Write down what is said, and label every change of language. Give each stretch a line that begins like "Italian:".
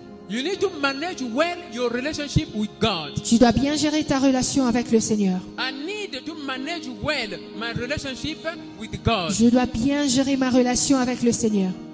English: You need to manage well your relationship with God.
French: Tu dois bien gérer ta relation avec le Seigneur.
English: I need to manage well my relationship with God.
French: Je dois bien gérer ma relation avec le Seigneur.